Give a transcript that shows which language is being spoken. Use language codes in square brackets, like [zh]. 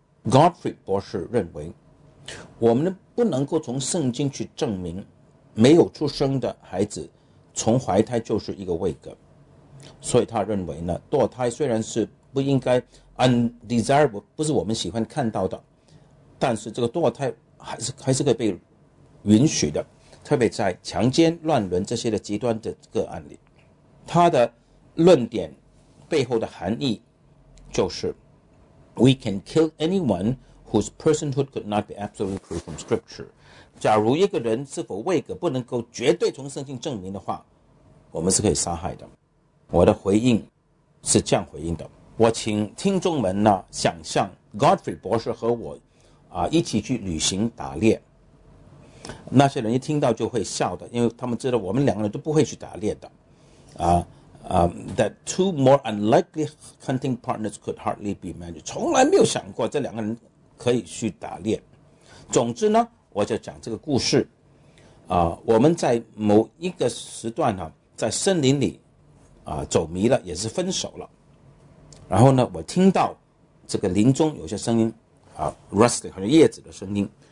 [zh] Gottfried 博士认为我们不能够从圣经去证明没有出生的孩子从怀胎就是一个未革，所以他认为呢，堕胎虽然是不应该 undesirable， 不是我们喜欢看到的，但是这个堕胎还是可以被允许的，特别在强奸、乱伦这些的极端的个案里。他的论点背后的含义就是 [en] We can kill anyone whose personhood could not be absolutely proved from scripture. [zh] 假如一个人是否未革不能够绝对从圣经证明的话，我们是可以杀害的。我的回应是这样回应的，我请听众们呢想象 Gottfried 博士和我一起去旅行打猎，那些人一听到就会笑的，因为他们知道我们两个人都不会去打猎的。 [en] That two more unlikely hunting partners could hardly be managed. [zh] 从来没有想过这两个人可以去打猎。总之呢，我就讲这个故事。我们在某一个时段呢，在森林里走迷了，也是分手了。然后呢，我听到这个林中有些声音rustling 好像叶子的声音。